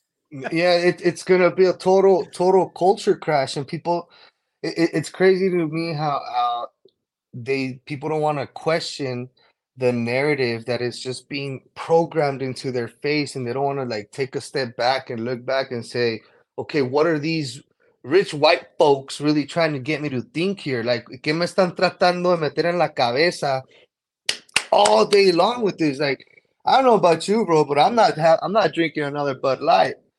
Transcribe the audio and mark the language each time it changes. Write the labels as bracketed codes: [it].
[en] Yeah, it's gonna be a total culture crash, and people, it's crazy to me how people don't want to question the narrative that is just being programmed into their face, and they don't want to like take a step back and look back and say, okay, what are these rich white folks really trying to get me to think here? [es] Like, ¿qué me están tratando de meter en la cabeza [en] all day long with this? Like, I don't know about you, bro, but I'm not drinking another Bud Light.